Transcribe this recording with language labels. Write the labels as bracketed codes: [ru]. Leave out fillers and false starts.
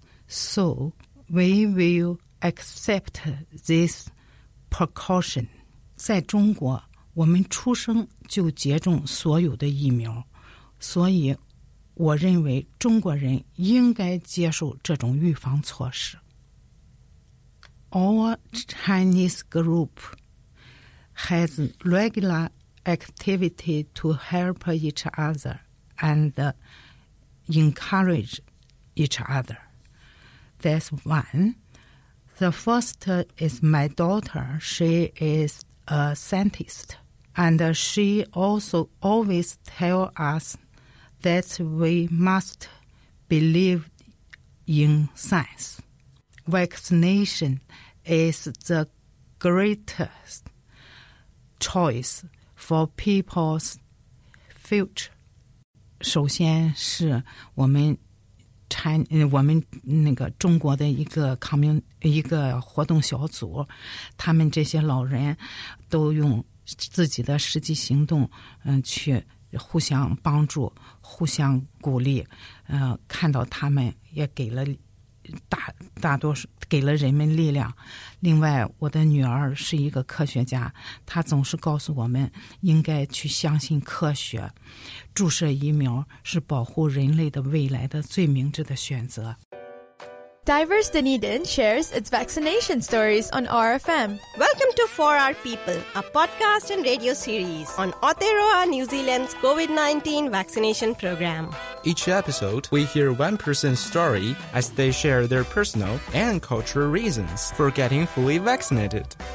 [en] So, we will accept this precaution. [zh] 在中国，我们出生就接种所有的疫苗，所以我认为中国人应该接受这种预防措施。 [en] Our Chinese group has regular activity to help each other and encourage each other. There's one. The first is my daughter. She is a scientist. And she also always tells us that we must believe in science. Vaccination is the greatest choice for people's future. [zh] 首先是我们我们那个中国的一个活动小组，他们这些老人都用自己的实际行动，去互相帮助，互相鼓励，看到他们也给了大多数给了人们力量。另外，我的女儿是一个科学家，她总是告诉我们应该去相信科学，注射疫苗是保护人类的未来的最明智的选择。 [en] Diverse Dunedin shares its vaccination stories on RFM. Welcome to 4R People, a podcast and radio series on Aotearoa, New Zealand's COVID-19 vaccination program. Each episode, we hear one person's story as they share their personal and cultural reasons for getting fully vaccinated.